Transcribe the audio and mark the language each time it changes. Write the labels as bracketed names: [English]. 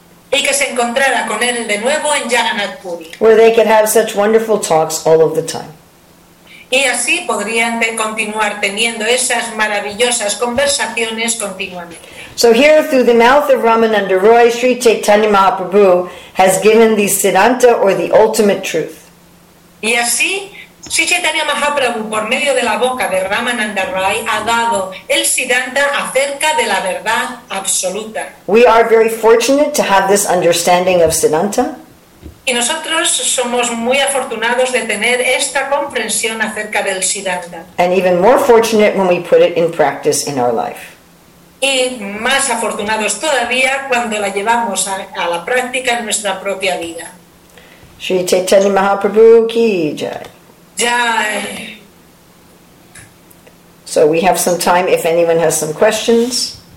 [Spanish] Y que se encontrara con él de nuevo en Jagannath Puri. [English] Where they could have such wonderful talks all of the time. [Spanish] Y así podrían continuar teniendo esas maravillosas conversaciones continuamente. [English] So here through the mouth of Ramananda Roy, Sri Chaitanya Mahaprabhu has given the Siddhanta or the ultimate truth. [Spanish] Y así Sri Chaitanya Mahaprabhu, por medio de la boca de Ramananda Roy, ha dado el Siddhanta acerca de la verdad absoluta. [English] We are very fortunate to have this understanding of Siddhanta. [Spanish] Y nosotros somos muy afortunados de tener esta comprensión acerca del Siddhanta. [English] And even more fortunate when we put it in practice in our life. [Spanish] Y más afortunados todavía cuando la llevamos a la práctica en nuestra propia vida. [Hindi] Sri Chaitanya Mahaprabhu ki jai. Jai. [English] So we have some time if anyone has some questions.